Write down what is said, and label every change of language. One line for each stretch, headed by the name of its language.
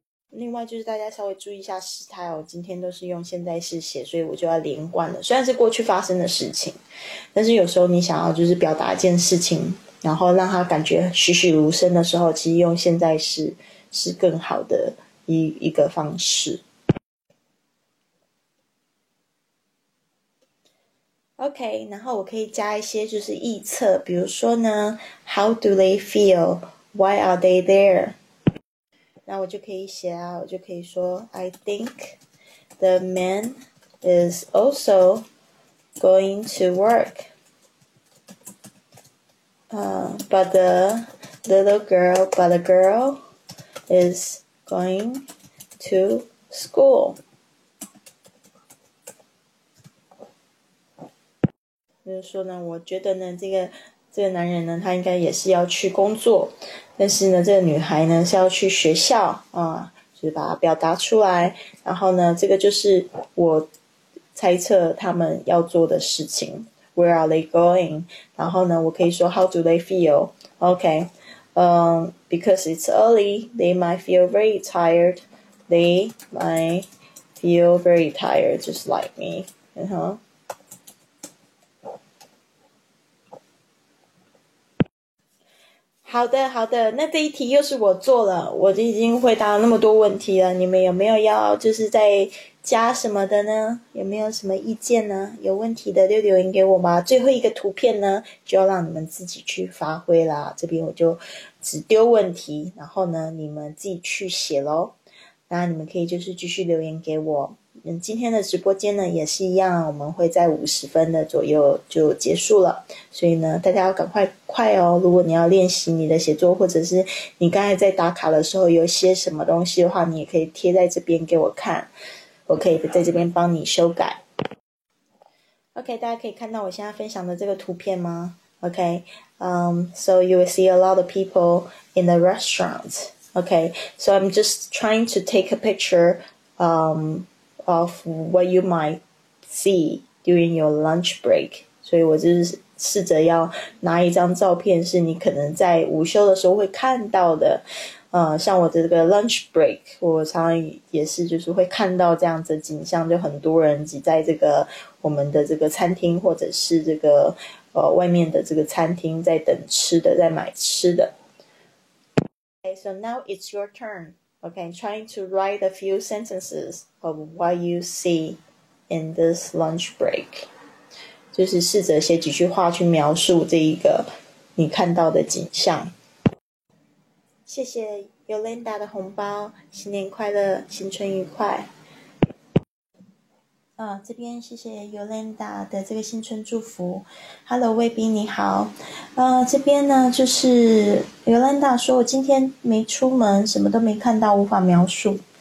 Chinese: 另外就是大家稍微注意一下时态哦，今天都是用现在式写，所以我就要连贯了。虽然是过去发生的事情，但是有时候你想要就是表达一件事情，然后让它感觉栩栩如生的时候，其实用现在式是更好的一个方式。 OK，然后我可以加一些就是臆测，比如说呢，
English: How do they feel? Why are they there?
Chinese: 那我就可以写啊，我就可以说，
English: I think the man is also going to work. But the girl is going to school.
Chinese: 就是说呢，我觉得呢，这个男人呢，他应该也是要去工作，但是呢，这个女孩呢是要去学校啊，就是把它表达出来。然后呢，这个就是我猜测他们要做的事情。
English: Where are they going？
Chinese: 然后呢，我可以说
English: How do they feel？OK，because it's early，they might feel very tired。 They might feel very tired, just like me.
Chinese: 好的，好的，那这一题又是我做了，我已经回答了那么多问题了，你们有没有要就是再加什么的呢？有没有什么意见呢？有问题的就留言给我吧。最后一个图片呢，就要让你们自己去发挥啦。这边我就只丢问题，然后呢，你们自己去写咯。那你们可以就是继续留言给我。今天的直播间呢也是一样，我们会在50分的左右就结束了，所以呢，大家要赶快快哦！如果你要练习你的写作，或者是你刚才在打卡的时候有些什么东西的话，你也可以贴在这边给我看，我可以在这边帮你修改。 OK，大家可以看到我现在分享的这个图片吗？
English: OK，so you will see a lot of people in the restaurant. OK，so I'm just trying to take a picture. Of what you might see during your lunch break，
Chinese: 所以我就是试着要拿一张照片，是你可能在午休的时候会看到的。像我的这个 lunch break，我常常也是就是会看到这样子的景象，就很多人挤在这个我们的这个餐厅，或者是这个外面的这个餐厅，在等吃的，在买吃的。
English: Okay，so now it's your turn. Okay, trying to write a few sentences of what you see in this lunch break，
Chinese: 就是试着写几句话去描述这一个你看到的景象。谢谢 Yolanda 的红包，新年快乐，新春愉快。这边谢谢 Yolanda 的这个新春祝福。 Hello，卫兵你好。这边呢就是 Yolanda 说，我今天没出门，什么都没看到，无法描述。